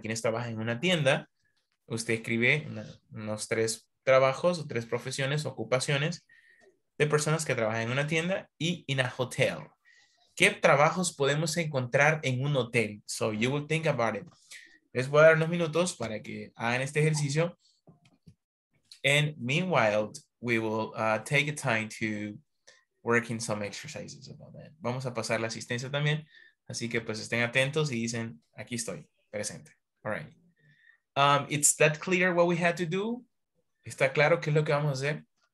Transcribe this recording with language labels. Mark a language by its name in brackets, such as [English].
[Spanish] ¿Quiénes trabajan en una tienda? Usted escribe unos tres trabajos, tres profesiones, ocupaciones de personas que trabajan en una tienda. Y [English] in a hotel. [Spanish] ¿Qué trabajos podemos encontrar en un hotel? [English] So you will think about it. [Spanish] Les voy a dar unos minutos para que hagan este ejercicio. [English] And meanwhile, we will take a time to work in some exercises about that. [Spanish] Vamos a pasar la asistencia también. Así que pues estén atentos y dicen, aquí estoy, presente. [English] All right. It's that clear what we had to do? [Spanish] ¿Está claro qué es lo que vamos a hacer?